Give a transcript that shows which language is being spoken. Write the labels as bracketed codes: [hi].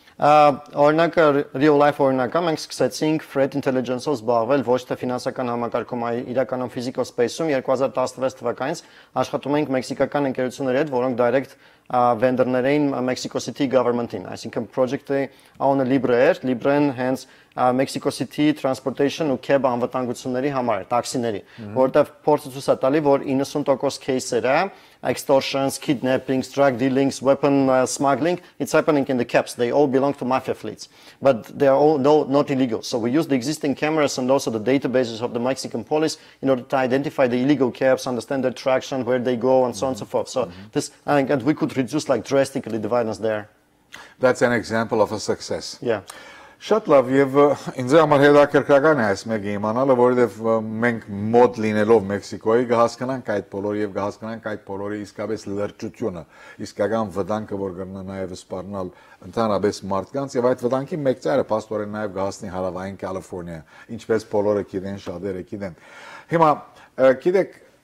[hy] Օրինակ real life օրինակը մենք սկսեցինք threat intelligence-ով զբաղվել ոչ թե ֆինանսական համակարգում, այլ իրականում physical space-ում 2016 թվականից աշխատում ենք մեքսիկական ընկերությունների հետ, որոնք direct vendor-ներ էին Mexico City government-ին, այսինքն project-ը on a Libre-ն հենց Mexico City transportation ու cab անվտանգությունների համար է, տաքսիների, որտեղ փորձը ցույց է տալի, որ 90% case-երը [en] extortions, kidnappings, drug dealings, weapon smuggling, it's happening in the cabs. They all belong to mafia fleets, but they are all not illegal. So we use the existing cameras and also the databases of the Mexican police in order to identify the illegal cabs, understand their traction, where they go, and so on and so forth. So this, and we could reduce like drastically the violence there. That's an example of a success. Yeah. [hy] Շատ լավ, եւ ինձ համար հետաքրքրական է այս մեկը իմանալը, որովհետեւ մենք մոտ լինելով Մեքսիկոյի կհասկանանք այդ բոլորը եւ կհասկանանք այդ բոլորի իսկապես լրջությունը, իսկական վտանգը, որ կգնա նաեւ սպառնալ ընդհանրապես մարդկանց, եւ այդ վտանգի մեծ ծայրը փաստորեն նաեւ կհասնի հարավային Կալիֆոռնիա, ինչպես բոլորը գիտեն, շատերը գիտեն։ Հիմա գիտեք,